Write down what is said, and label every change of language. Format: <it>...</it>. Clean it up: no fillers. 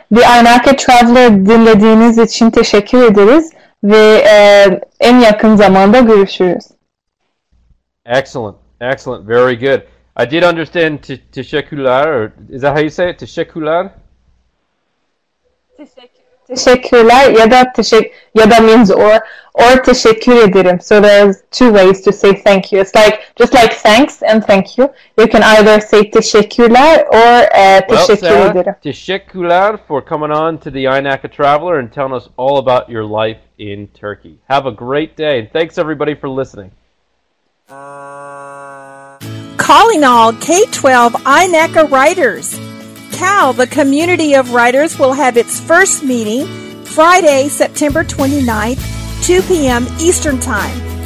<tr>The iNaCA Traveler dinlediğiniz için teşekkür ederiz ve en yakın zamanda görüşürüz.</tr> <en>Excellent. Excellent. Very good. I did understand teşekkürler. Or is that how you say it? Teşekkürler?</en> <tr>Teşekkürler ya da ya da</tr> <en>means or</en> <tr>teşekkür ederim.</tr> <en>So there's two ways to say thank you. It's like just like thanks and thank you. You can either say teşekkürler or</en> <tr>teşekkür ederim.</tr> <en>Well, Sarah, teşekkürler for coming on to the iNaCA Traveler and telling us all about your life in Turkey. Have a great day and thanks everybody for listening. Calling all K-12 iNaCA writers. Cal, the community of writers, will have its first meeting Friday, September 29th, 2 p.m. Eastern Time.</en>